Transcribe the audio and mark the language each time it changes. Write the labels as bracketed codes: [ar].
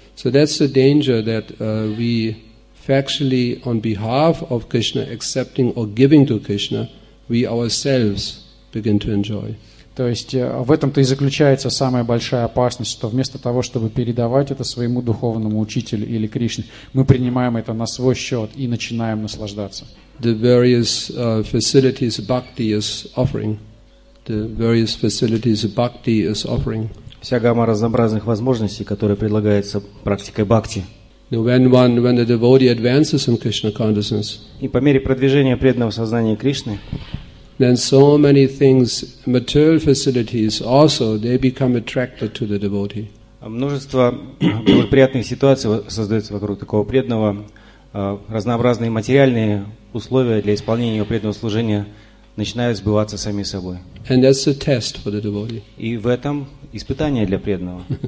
[en] So that's the danger that we factually on behalf of Krishna accepting or giving to Krishna, we ourselves begin to enjoy. [ru] То есть в этом-то и заключается самая большая опасность, что вместо того, чтобы передавать это своему духовному учителю или Кришне, мы принимаем это на свой счет и начинаем наслаждаться. [en] The various facilities bhakti is offering. The various facilities bhakti is offering. [ru] Вся гамма разнообразных возможностей, которые предлагаются практикой бхакти. [en] When the devotee advances in Krishna consciousness. [ru] И по мере продвижения преданного сознания Кришны. [en] Then so many things, material facilities also, they become attracted to the devotee. [ru] Множество благоприятных ситуаций создается вокруг такого преданного. Разнообразные материальные условия для исполнения его преданного служения начинают сбываться сами собой. [en] And that's a test for the devotee. [ru] И в этом испытание для преданного.